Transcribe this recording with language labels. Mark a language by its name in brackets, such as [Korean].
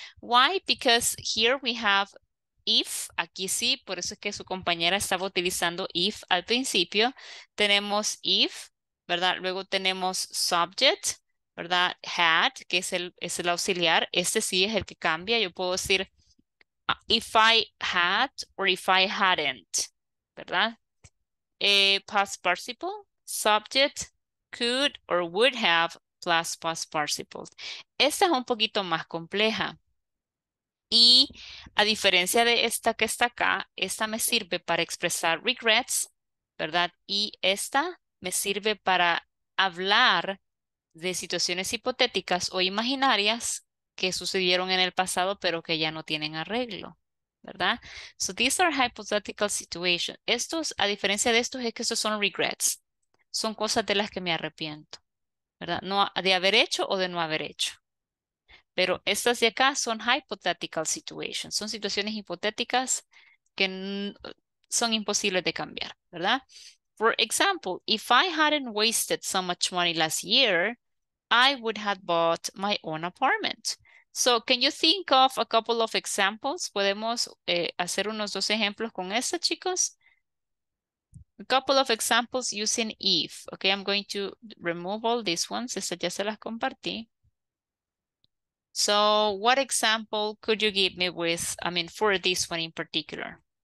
[English] Why? Because here we have if, [Spanish] aquí sí, por eso es que su compañera estaba utilizando if al principio. Tenemos if, ¿verdad? Luego tenemos subject, ¿verdad? Had, que es el auxiliar. Este sí es el que cambia. Yo puedo decir [English] if I had or if I hadn't, [Spanish] ¿verdad? [English] Past participle, subject, could or would have plus past participle. [Spanish] Esta es un poquito más compleja. Y a diferencia de esta que está acá, esta me sirve para expresar regrets, ¿verdad? Y esta me sirve para hablar de situaciones hipotéticas o imaginarias que sucedieron en el pasado pero que ya no tienen arreglo, ¿verdad? [English] So these are hypothetical situations. [Spanish] Estos, a diferencia de estos, es que estos son regrets. Son cosas de las que me arrepiento, ¿verdad? No, de haber hecho o de no haber hecho. Pero estas de acá son hypothetical situations. Son situaciones hipotéticas que son imposibles de cambiar, ¿verdad? [English] For example, if I hadn't wasted so much money last year, I would have bought my own apartment. So can you think of a couple of examples? [Spanish] ¿Podemos hacer unos dos ejemplos con esto, chicos? [English] A couple of examples using if. Okay, I'm going to remove all these ones. [Spanish] Esta ya se las compartí. [English] So what example could you give me with, I mean, for this one in particular?